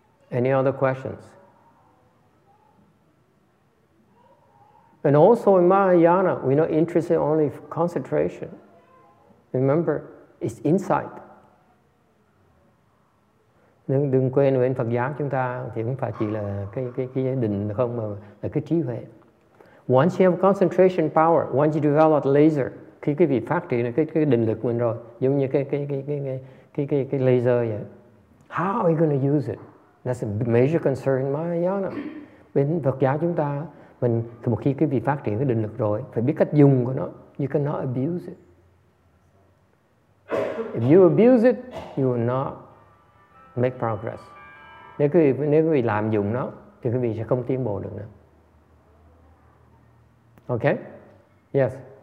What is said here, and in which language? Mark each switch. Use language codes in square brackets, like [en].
[en] Any other questions? And also in Mahayana, we're not interested only in concentration. Remember, it's insight. [vi] Nên đừng quên bên Phật giáo chúng ta thì không phải chỉ là cái định không mà là cái trí huệ. [en] Once you have concentration power, once you develop laser, [vi] khi cái vị phát triển cái định lực mình rồi, giống như cái laser vậy. [en] How are you going to use it? That's a major concern in Mahayana. [vi] Bên Phật giáo chúng ta, mình thì một khi cái vị phát triển cái định lực rồi, phải biết cách dùng của nó. [en] You cannot abuse it. If you abuse it, you will not make progress. [vi] Nếu quý vị lạm dụng nó, thì quý vị sẽ không tiến bộ được nữa. [en] Okay? Yes.